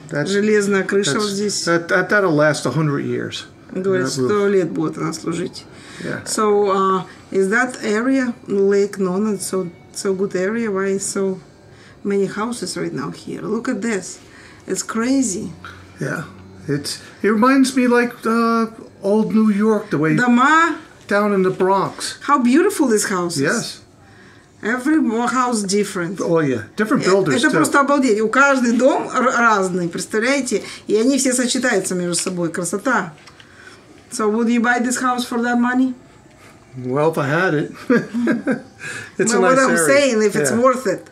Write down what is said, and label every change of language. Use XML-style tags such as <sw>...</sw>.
<ru>Железная крыша вот здесь.</ru> <en>That'll last 100 years.</en> <ru>Говорит, 100 лет будет она служить.</ru> <en>Yeah. So, is that area, Lake Nonant, so good area? Why so many houses right now here? Look at this. It's crazy. Yeah. It reminds me like the old New York, the way...</en> <ru>Дома?</ru> <en>Down in the Bronx. How beautiful this house is. Yes. Every house different. Oh yeah, different builders.</en> <ru>Это</ru> <en>too.</en> <ru>Просто обалдеть. У каждый дом разный, представляете? И они все сочетаются между собой. Красота.</ru> <en>So would you buy this house for that money? Well, if I had it. It's but a nice area. But what I'm saying, if it's worth it.</en>